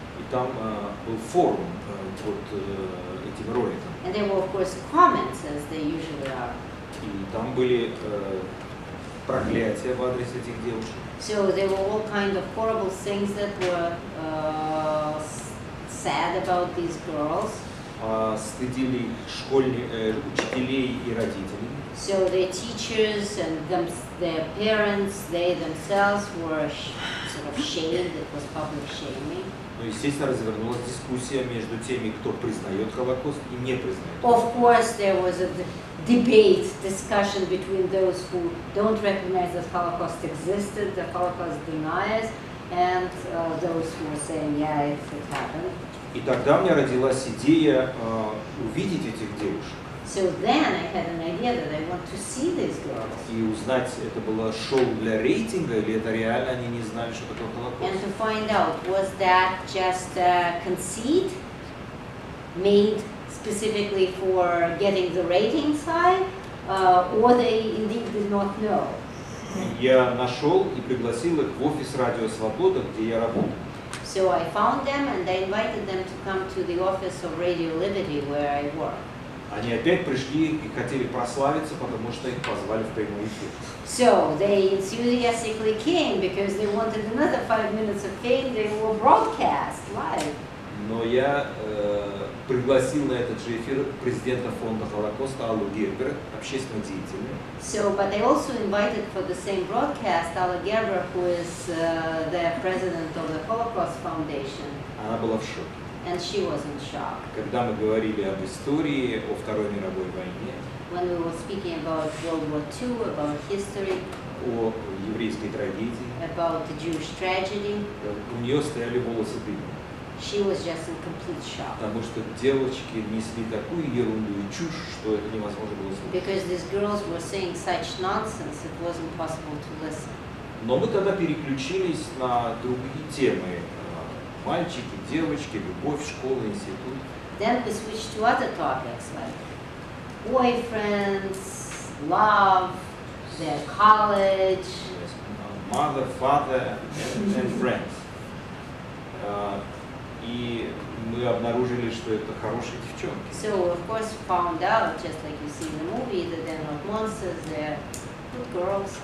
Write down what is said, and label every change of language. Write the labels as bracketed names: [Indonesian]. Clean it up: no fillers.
[Russian] Там был форум под этим роликом. [English] And there were, of course, comments, as they usually are. [Russian] И там были проклятия в адрес этих девушек. [English] So there were all kinds of horrible things that were said about these girls. [Russian] Стыдили учителей и родителей. [English] So their teachers and their parents, they themselves were sort of shamed. It was public shaming. [Russian] Ну, естественно, развернулась дискуссия между теми, кто признает Холокост и не признает. [English] Of course, there was a debate, discussion between those who don't recognize that Holocaust existed, the Holocaust deniers, and those who were saying, yeah, it happened. [Russian] И тогда у меня родилась идея увидеть этих девушек. [English] So then I had an idea that I want to see these girls. [Russian] И узнать, это было шоу для рейтинга или это реально они не знали, что такое Холокост. [English] And to find out, was that just a conceit made specifically for getting the ratings high, or they indeed did not know? [Russian] Я нашел и пригласил их в офис Радио Свобода, где я работаю. [English] So I found them and I invited them to come to the office of Radio Liberty, where I work. [Russian] Они опять пришли и хотели прославиться, потому что их позвали в прямой эфир. [English] So they enthusiastically came because they wanted another 5 minutes of fame. They were broadcast live. [Russian] Но я пригласил на этот же эфир президента фонда Холокоста Аллу Гербер, общественного деятеля. [English] So, but they also invited for the same broadcast Алла Гербер, who is the president of the Holocaust Foundation. [Russian] Она была в шоке. [English] And she was in shock. [Russian] Когда мы говорили об истории, о Второй мировой войне, [English] when we were speaking about World War II, about history, [Russian] о еврейской трагедии, [English] about the Jewish tragedy, [Russian] у нее стояли волосы дыбом. [English] She was just in complete shock. [Russian] Потому что девочки несли такую ерунду и чушь, что это невозможно было слушать. [English] Because these girls were saying such nonsense, it was impossible to listen. [Russian] Но мы тогда переключились на другие темы. Мальчики, девочки, любовь, школа, институт. [English] Then we switch to other topics like boyfriends, love, their college. Yes, mother, father, and friends. [Russian] И мы обнаружили, что это хорошие девчонки. [English] So of course found out, just like you see in the movie, that they're not monsters, they're good girls.